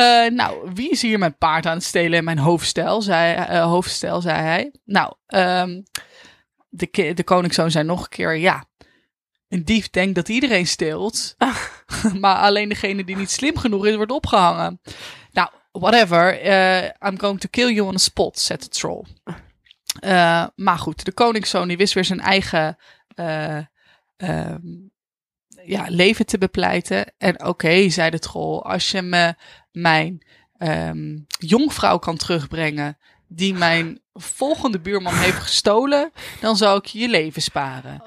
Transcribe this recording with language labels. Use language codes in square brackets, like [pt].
[nl] Nou, wie is hier mijn paard aan het stelen en mijn hoofdstel? Zei hij. Nou, De koningszoon zei nog een keer, ja, een dief denkt dat iedereen steelt, maar alleen degene die niet slim genoeg is, wordt opgehangen. Nou, [en] whatever, I'm going to kill you on the spot, [nl] zei de troll. Maar goed, de koningszoon die wist weer zijn eigen leven te bepleiten. En oké, zei de troll, als je me mijn jongvrouw kan terugbrengen, die mijn volgende buurman heeft gestolen, dan zou ik je leven sparen.